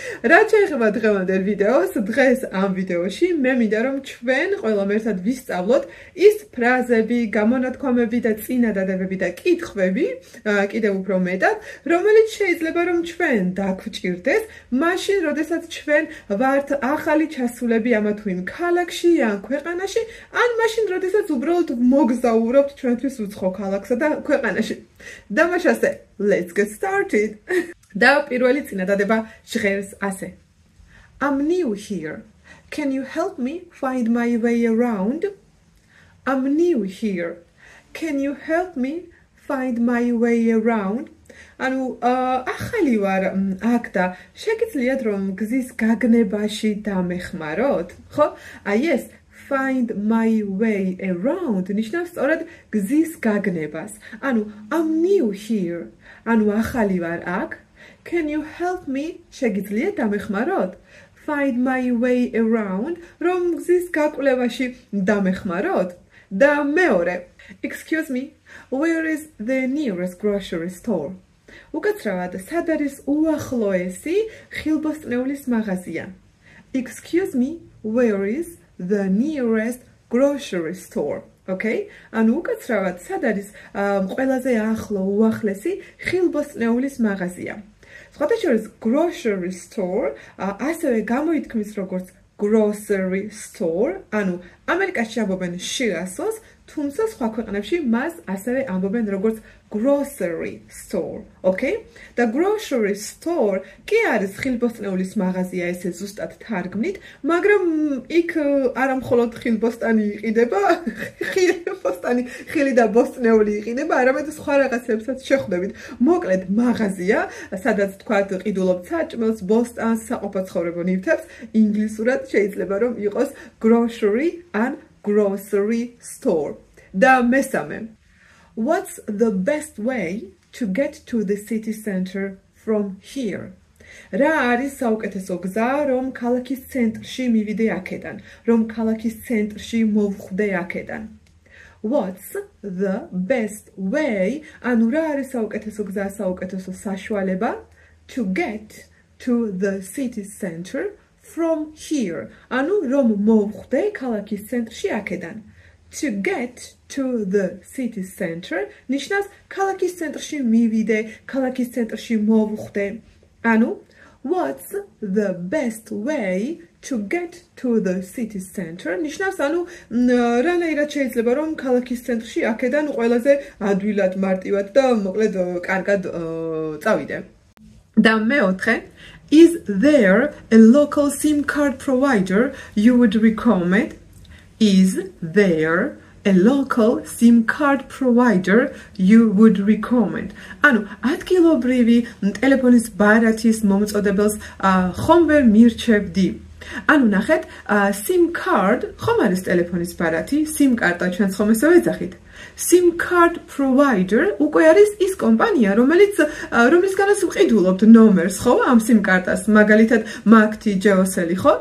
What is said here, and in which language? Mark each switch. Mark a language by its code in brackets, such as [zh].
[ka] რა შეიძლება დღევანდელ ვიდეოს, დღეს ამ ვიდეოში მე მინდა რომ ჩვენ ყველამ ერთად ვისწავლოთ ის ფრაზები, გამონათქვამები და წინადადებები და კითხვები, კიდევ უფრო მეტად, რომელიც შეიძლება რომ ჩვენ დაგვჭირდეს მაშინ, როდესაც ჩვენ ვართ ახალი ჩასულები ამა თუ იმ ქალაქში ან ქვეყანაში, ან მაშინ, როდესაც უბრალოდ მოგზაურობთ ჩვენთვის უცხო ქალაქსა და ქვეყანაში. დამაშასე, [en] let's get started. [ka] და პირველი წინადადება ჟღერს ასე. [en] I'm new here. Can you help me find my way around? I'm new here. Can you help me find my way around? [ka] ანუ ახალი ვარ აქ და შეგიძლიათ რომ გზის გაგნებაში დამეხმაროთ, ხო? აი ეს [en] find my way around [ka] ნიშნავს სწორედ გზის გაგნებას. [en] ანუ I'm new here. [ka] ანუ ახალი ვარ აქ. [en] Can you help me? [ka] შეგიძლიათ დამეხმაროთ? [en] Find my way around, [ka] რომ გზის გაკვლევაში დამეხმაროთ. და მეორე. [en] Excuse me, where is the nearest grocery store? [ka] უკაცრავად, სად არის უახლოესი ხილბოსტნეულის მაღაზია? [en] Excuse me, where is the nearest grocery store? Okay? [ka] ანუ უკაცრავად, სად არის ყველაზე ახლო უახლესი ხილბოსტნეულის მაღაზია? სხვადასხვა grocery store ასევე გამოითქმის როგორც grocery store, ანუ ამერიკაში ამბობენ შირასოს, თუმცა სხვა ქვეყნებში მას ასევე ამბობენ როგორც grocery store, okay? და grocery store კი არის ხილბოსტნეულის მაღაზია ესე ზუსტად თარგმნით, მაგრამ იქ არა მხოლოდ ხილბოსტანი იყიდება, ხილბოსტანი ხილი და ბოსტნეული იყიდება, არამედ სხვა რაღაცებსაც შეხვდებით. მოკლედ მაღაზია, სადაც თქვათ ყიდულობთ საჭმელს, ბოსტანს, საყოფაცხოვრებო ნივთებს, ინგლისურად შეიძლება რომ იყოს grocery ან grocery store. და მესამე. [en] What's the best way to get to the city center from here? [ka] რა არის საუკეთესო გზა, რომ ქალაქის ცენტრში მივიდე აქედან, რომ ქალაქის ცენტრში მოვხვდე აქედან? [en] What's the best way? [ka] ანუ რა არის საუკეთესო გზა, საუკეთესო საშუალება [en] to get to the city center from here? [ka] ანუ რომ მოვხვდე ქალაქის ცენტრში აქედან? [en] To get to the city center [ka] ნიშნავს ქალაქის ცენტრში მივიდე, ქალაქის ცენტრში მოვხვდე. ანუ [en] what's the best way to get to the city center [ka] ნიშნავს ანუ რანაირად შეიძლება რომ ქალაქის ცენტრში აქედან ყველაზე ადვილად, მარტივად და მოკლედ კარგად წავიდე. და მეოთხე. [en] Is there a local SIM card provider you would recommend? Is there a local SIM card provider you would recommend? [ka] ანუ ადგილობრივი ტელეფონის ბარათის მომწოდებელს ხომ ვერ მირჩევდი? ანუ ნახეთ, SIM card ხომ არის ტელეფონის ბარათი? SIM კარტა ჩვენც ხომ ესე ვეძახით? SIM card provider უკვე არის ის კომპანია, რომლისგანაც ვყიდულობთ ნომერს, ხო, ამ SIM კარტას, მაგალითად მაგთი, ჯეოსელი, ხო?